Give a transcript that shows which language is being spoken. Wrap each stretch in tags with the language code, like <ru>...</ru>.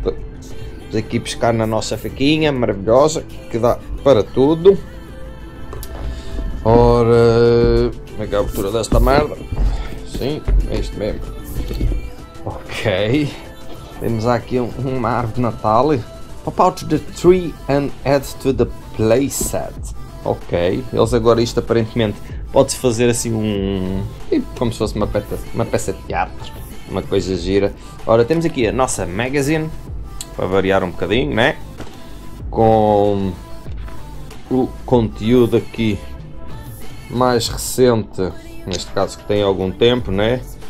<pt>Vamos aqui buscar na nossa faquinha maravilhosa, que dá para tudo. Ora, como é que é a abertura desta merda? Sim, é isto mesmo. Ok, temos aqui uma árvore de Natal.</pt> <en>Pop out the tree and add to the playset.</en> <pt>Ok, eles agora isto aparentemente pode-se fazer assim um... como se fosse uma peça de teatro, uma coisa gira. Ora, temos aqui a nossa magazine, para variar um bocadinho, né? Com o conteúdo aqui mais recente, neste caso que tem algum tempo, né?</pt>